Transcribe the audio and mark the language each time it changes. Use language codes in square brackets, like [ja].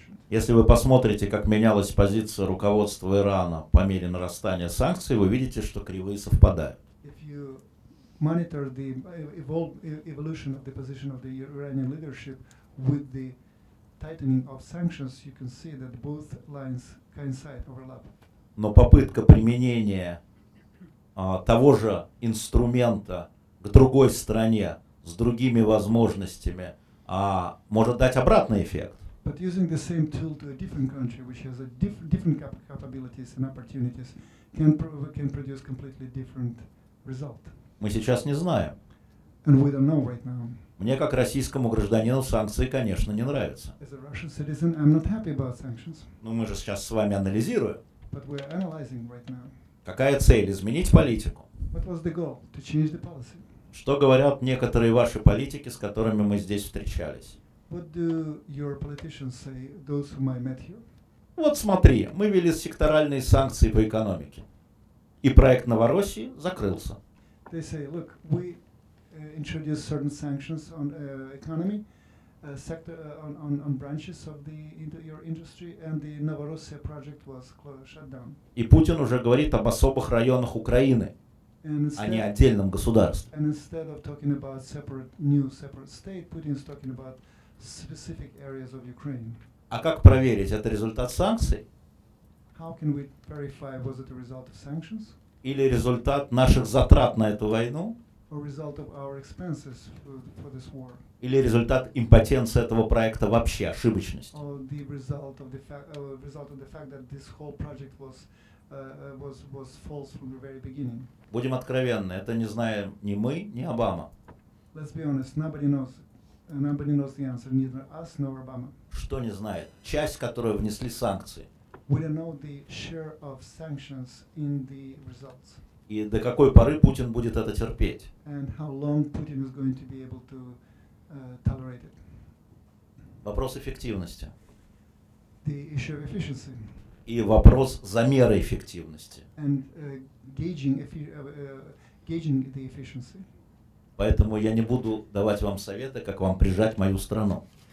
[ru] Если вы посмотрите, как менялась позиция руководства Ирана по мере нарастания санкций, вы видите, что кривые совпадают. [en] If you monitor the evolution of the position of the Iranian leadership with the tightening of sanctions, you can see that both lines coincide, overlap. [ru] Но попытка применения того же инструмента к другой стране с другими возможностями, а может дать обратный эффект. [en] But using the same tool to a different country, which has a different capabilities and opportunities, can produce completely different result. [ru] Мы сейчас не знаем. [en] And we don't know right now. [ru] Мне как российскому гражданину санкции, конечно, не нравятся. [en] As a Russian citizen, I'm not happy about sanctions. [ru] Но мы же сейчас с вами анализируем. [en] But we're analyzing right now. [ru] Какая цель? Изменить политику. [en] What was the goal? To change the policy. [ru] Что говорят некоторые ваши политики, с которыми мы здесь встречались? [en] What do your politicians say, those whom I met here? [ru] Вот смотри, мы ввели секторальные санкции по экономике. И проект Новороссии закрылся. [en] They say, look, we introduced certain sanctions on economy, sector, on branches of the your industry, and the Novorossiya project was shut down. [ru] И Путин уже говорит об особых районах Украины. А не отдельном государстве. [en] And instead of talking about separate new separate state, Putin is talking about specific areas of Ukraine. [ru] А как проверить, это результат санкций? [en] How can we verify, was it a result of sanctions? [ru] Или результат наших затрат на эту войну? [en] Or result of our expenses for this war? [ru] Или результат импотенции этого проекта вообще, ошибочность? [en] Or the result of the fact, result of the fact that this whole project was was false from the very beginning. [ru] Будем откровенны, это не знаем ни мы, ни Обама. [en] Let's be honest, nobody knows. Nobody knows the answer, neither us nor Obama. [ru] Что не знает? Часть, которую внесли санкции. [en] We don't know the share of sanctions in the results. [ru] И до какой поры Путин будет это терпеть? [en] And how long Putin is going to be able to tolerate it? [ru] Вопрос эффективности. [en] The issue of efficiency. [ru] И вопрос замера эффективности. [en] And gauging the efficiency. [ru] Поэтому я не буду давать вам советы, как вам прижать мою страну.